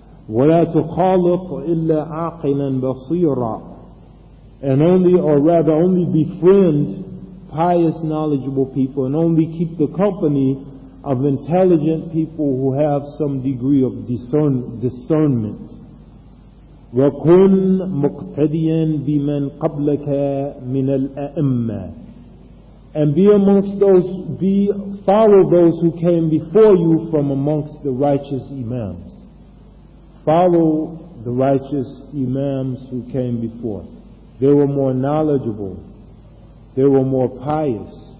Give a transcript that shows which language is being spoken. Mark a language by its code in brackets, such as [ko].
[ar] وَلَا تُخَالِطْ إِلَّا عَاقِلًا بَصِيرًا. [en] Only befriend pious, knowledgeable people, and only keep the company of intelligent people who have some degree of discernment. [ar] وكن مقتديا بمن قبلك من الأئمة. [en] And be amongst those, be follow those who came before you from amongst the righteous imams. Follow the righteous imams who came before. They were more knowledgeable. They were more pious.